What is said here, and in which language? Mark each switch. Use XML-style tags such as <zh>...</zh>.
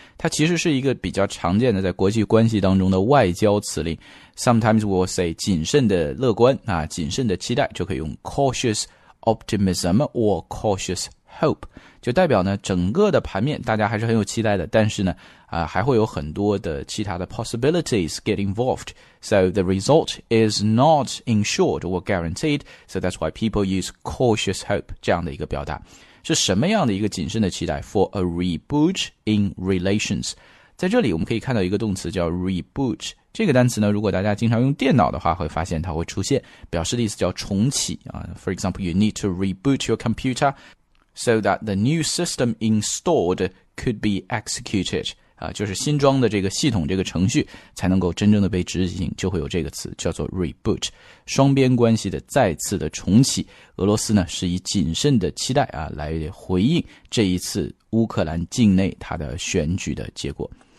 <zh>它其实是一个比较常见的在国际关系当中的外交辞令，</zh> <en>sometimes we'll say</en> <zh>谨慎的乐观啊，谨慎的期待，就可以用</zh> <en>cautiousoptimism or cautious hope，</en> <zh>就代表呢整个的盘面大家还是很有期待的，但是呢还会有很多的其他的</zh> <en>possibilities get involved， so the result is not insured or guaranteed， so that's why people use cautious hope</en> <zh>这样的一个表达。是什么样的一个谨慎的期待？</zh> <en>for a reboot in relations。</en> <zh>在这里我们可以看到一个动词叫 reboot，这个单词呢，如果大家经常用电脑的话，会发现它会出现，表示的意思叫重启啊。</zh> <en>For example, you need to reboot your computer so that the new system installed could be executed.</en> <zh>啊，就是新装的这个系统，这个程序才能够真正的被执行，就会有这个词叫做 reboot， 双边关系的再次的重启。俄罗斯呢，是以谨慎的期待啊，来回应这一次乌克兰境内它的选举的结果。</zh>